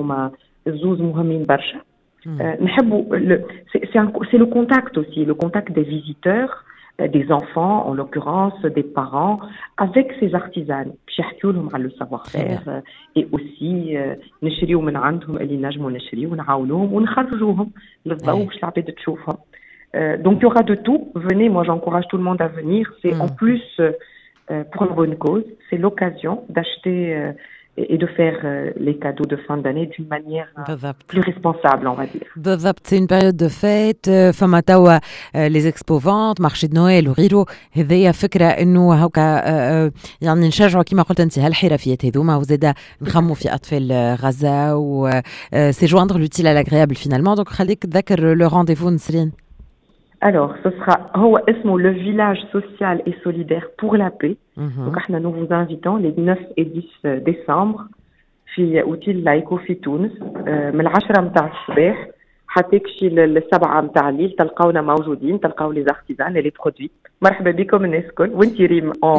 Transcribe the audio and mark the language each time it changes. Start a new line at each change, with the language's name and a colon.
French: هما زوز مهمين برشا، نحبوا سي لو كونتاكت اوسي، لو كونتاكت دي فيزيتور des enfants en l'occurrence des parents avec ces artisans qui يحكيو لهم على le savoir-faire et aussi نشريو من عندهم اللي نجمو نشريو ونعاونوهم ونخرجوهم للضوء باش العباد تشوفهم. Donc il y aura de tout, venez, moi j'encourage tout le monde à venir, c'est en plus pour une bonne cause, c'est l'occasion d'acheter et de faire les cadeaux de fin d'année d'une manière plus responsable, on va dire.
Arabic: Bezabt, c'est une période de fête, famatawa les expos ventes, marché de Noël, riro, هذيا فكره انه هكا يعني نشجعوا كيما قلت انت هالحرفيات هذوما وزيد نخمو في اطفال غزه و c'est joindre l'utile à l'agréable finalement. Donc خليك تذكر le rendez-vous نسرين.
French: Alors, ce sera اسمه le village social et solidaire pour la paix.
Arabic: Donc, nous vous invitons les 9 et 10 décembre في اوتيل لايكو في تونس من 10 متاع الصباح حتى كشي ل 7 متاع الليل. تلقاونا موجودين، تلقاو لي زارتيزان لي برودوي. مرحبا بكم الناس الكل، وانت ريم